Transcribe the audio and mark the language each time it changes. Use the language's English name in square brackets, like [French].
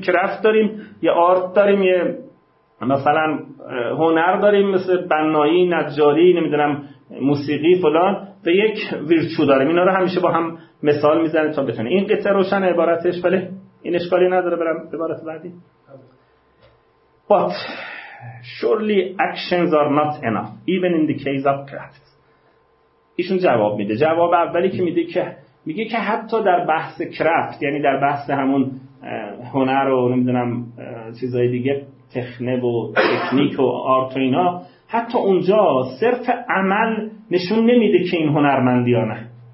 [Persian] کرافت داریم، یه آرت داریم، یه مثلا هنر داریم مثل بنایی، نجاری، نمیدونم موسیقی فلان، و یک ویرچو داریم. اینا رو همیشه با هم مثال میزنه تا بتونه این قطعه روشن عبارتش. بله، این اشکالی نداره. برم عبارت بعدی. [English] But surely actions are not enough even in the case of craft. [Persian] ایشون جواب میده، جواب اولی که میده که میگه که حتی در بحث craft، یعنی در بحث همون هنر و نمیدونم چیزهای دیگه، تخنه و تکنیک و آرت و اینا، حتی اونجا صرف عمل نشون نمیده که این هنرمندی یا نه.